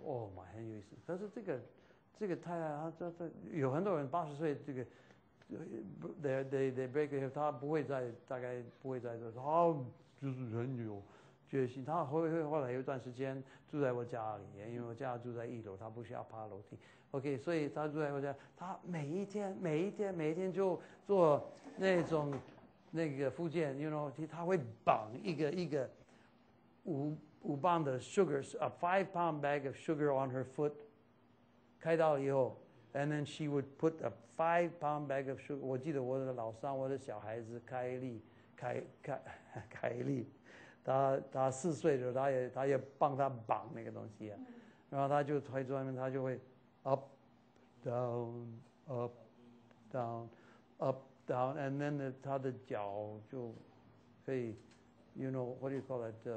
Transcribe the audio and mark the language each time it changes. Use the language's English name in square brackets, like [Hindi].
[English] Oh my, [Chinese] 很有意思。可是这个太太，她有很多人80岁，这个 [English] they break her hip， [Chinese] 她不会再大概不会再做。她就是很有决心。她后来有一段时间住在我家里，因为我家住在一楼，她不需要爬楼梯。 OK， 所以她住在我家，她每一天就做那种那个复健。 [English] You know， [Chinese] 她会绑一个5磅的 [English] sugar, a 5-pound bag of sugar on her foot. [Chinese] 开刀以后， [English] And then she would put a 5-pound bag of sugar. [Chinese] 我记得我的老三，我的小孩子凯莉，凯莉，她四岁的时候，她也帮她绑那个东西啊。然后她就推在外面，她就会 [English] up down up down [Chinese] up down， [English] and then [Chinese] 她的脚就可以 ， [English] you know what do you call it？